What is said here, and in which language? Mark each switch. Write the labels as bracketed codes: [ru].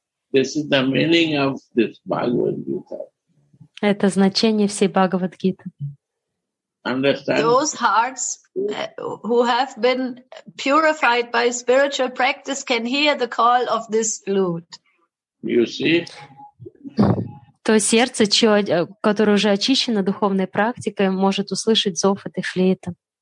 [en] This is the meaning of this Bhagavad Gita. [ru] Это значение всей Бхагавад Гиты. [en] Understand? Those hearts who have been purified by spiritual practice can hear the call of this flute. You see? [ru] То сердце, которое уже очищено духовной практикой, может услышать зов этой флейты.